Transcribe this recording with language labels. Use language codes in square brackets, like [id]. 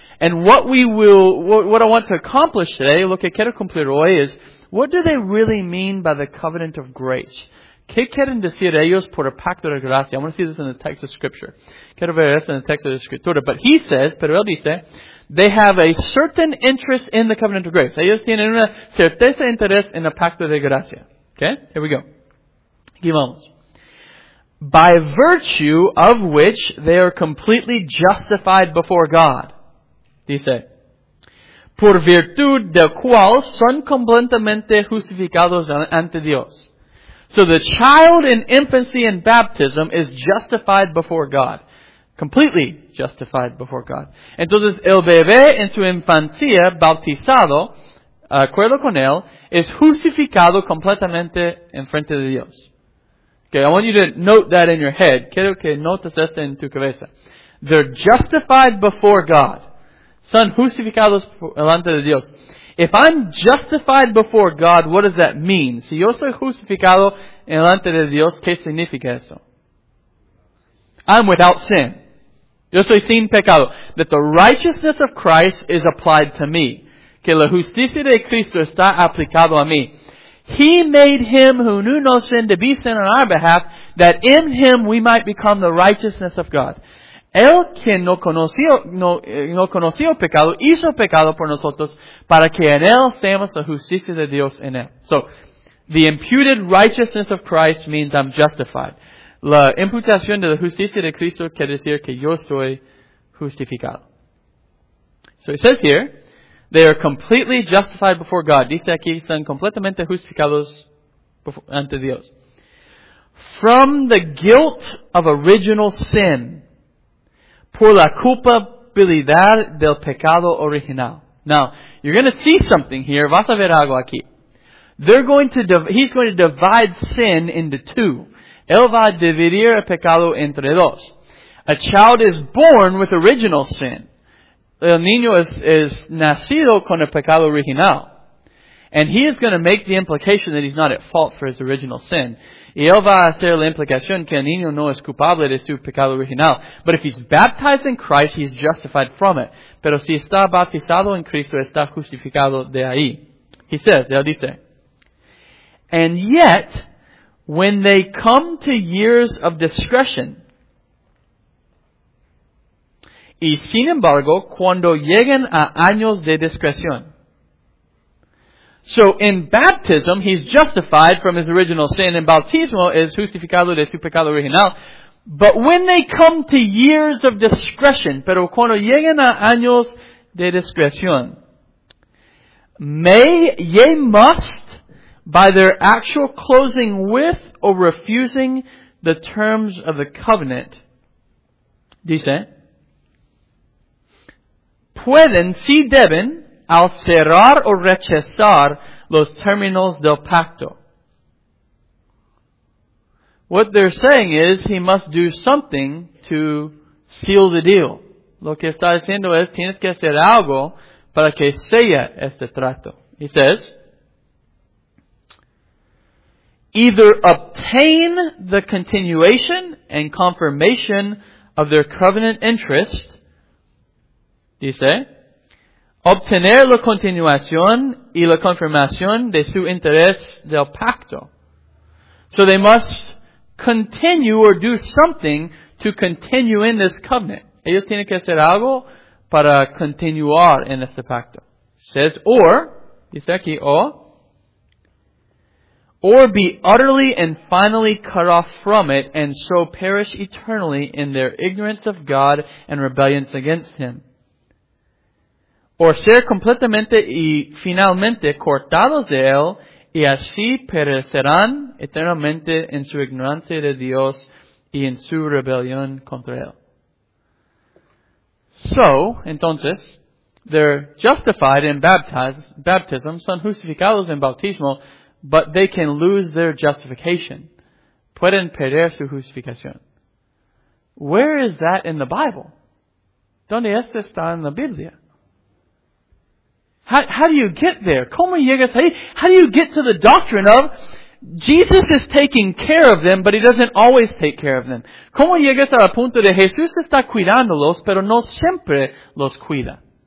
[en] And what I want to accomplish today, [es] lo que quiero cumplir hoy [en] is, what do they really mean by the covenant of grace? [es] ¿Qué quieren decir ellos por el pacto de gracia? [en] I want to see this in the text of Scripture. [es] Quiero ver esto en el texto de Escritura. [en] But he says, [es] pero él dice, [en] they have a certain interest in the covenant of grace. [es] Ellos tienen una certeza de interés en el pacto de gracia. [en] Okay? Here we go. [es] Aquí vamos. [en] By virtue of which they are completely justified before God. [es] Dice, por virtud del cual son completamente justificados ante Dios. [en] So the child in infancy and baptism is justified before God. Completely justified before God. [es] Entonces, el bebé en su infancia, bautizado, acuerdo con él, es justificado completamente en frente de Dios. [en] Okay, I want you to note that in your head. [es] Quiero que notes esto en tu cabeza. [en] They're justified before God. [es] Son justificados delante de Dios. [en] If I'm justified before God, what does that mean? [es] Si yo soy justificado delante de Dios, ¿qué significa eso? [en] I'm without sin. [es] Yo soy sin pecado. [en] That the righteousness of Christ is applied to me. [es] Que la justicia de Cristo está aplicado a mí. [en] He made him who knew no sin to be sin on our behalf, that in him we might become the righteousness of God. [es] El que no conoció pecado, hizo pecado por nosotros, para que en él seamos la justicia de Dios en él. [en] So, the imputed righteousness of Christ means I'm justified. [es] La imputación de la justicia de Cristo quiere decir que yo estoy justificado. [en] So it says here, they are completely justified before God. [es] Dice aquí, son completamente justificados ante Dios. [en] From the guilt of original sin, [es] por la culpabilidad del pecado original. [en] Now, you're going to see something here. [es] Vas a ver algo aquí. [en] He's going to divide sin into two. [es] Él va a dividir el pecado entre dos. [en] A child is born with original sin. [es] El niño es nacido con el pecado original. [en] And he is going to make the implication that he's not at fault for his original sin. [es] Y él va a hacer la implicación que el niño no es culpable de su pecado original. [en] But if he's baptized in Christ, he's justified from it. [es] Pero si está bautizado en Cristo, está justificado de ahí. [en] He says, [es] él dice, [en] and yet, when they come to years of discretion, [es] y sin embargo, cuando lleguen a años de discreción. [en] So in baptism, he's justified from his original sin, and [es] bautismo is justificado de su pecado original. [en] But when they come to years of discretion, [es] pero cuando lleguen a años de discreción, [en] by their actual closing with or refusing the terms of the covenant, [es] dice, pueden, si deben, al cerrar o rechazar los términos del pacto. [en] What they're saying is, he must do something to seal the deal. [es] Lo que está diciendo es, tienes que hacer algo para que sella este trato. [en] He says, either obtain the continuation and confirmation of their covenant interest, [es] dice, obtener la continuación y la confirmación de su interés del pacto. [en] So they must continue or do something to continue in this covenant. [es] Ellos tienen que hacer algo para continuar en este pacto. [en] Says, or, [es] dice aquí, [en] or be utterly and finally cut off from it, and so perish eternally in their ignorance of God and rebellion against Him. [es] Or ser completamente y finalmente cortados de Él, y así perecerán eternamente en su ignorancia de Dios y en su rebelión contra Él. [en] So, [es] entonces, [en] they're justified in baptism, [es] son justificados en bautismo, [en] but they can lose their justification. [es] Pueden perder su justificación. [en] Where is that in the Bible? [es] ¿Dónde esto está en la Biblia? [en] How do you get there? [es] ¿Cómo llegas ahí? [en] How do you get to the doctrine of Jesus is taking care of them, but he doesn't always take care of them? [es] ¿Cómo llegas al punto de Jesús está cuidándolos, pero no siempre los cuida?